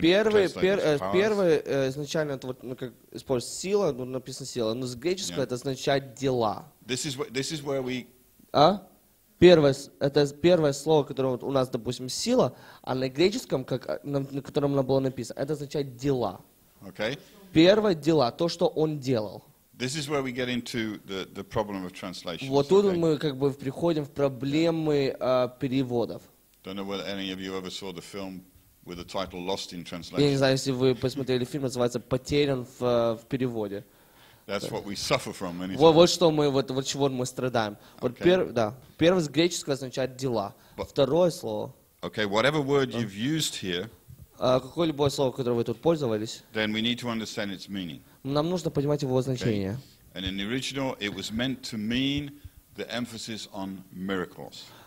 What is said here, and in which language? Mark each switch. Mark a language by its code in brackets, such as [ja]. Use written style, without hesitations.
[ru] Первое изначально это вот, ну, как использовать сила, ну, написано сила, но с греческого это означает дела. [en] This is where we. [ru] Первое слово, которое вот у нас, допустим, сила, а на греческом, как, на котором оно было написано, это означает дела. [en] Okay. [ru] Первое дела, то, что он делал. [en] This is where we get into the problem of translations. [ru] Вот тут мы как бы приходим в проблемы переводов. [en] Don't know whether any of you ever saw the film with the title Lost in Translation. [ru] Я не знаю, если вы посмотрели фильм, называется «Потерян в переводе». [en] That's what we suffer from. [ru] Вот что мы, вот чего мы страдаем. Вот первое с греческого означает дела. Второе слово. [en] Okay, whatever word you've used here. [ru] Какое-либо слово, которое вы тут пользовались. [en] Then we need to understand its meaning. [ru] Нам нужно понимать его значение. [en] And in the original, it was meant to mean the emphasis on miracles.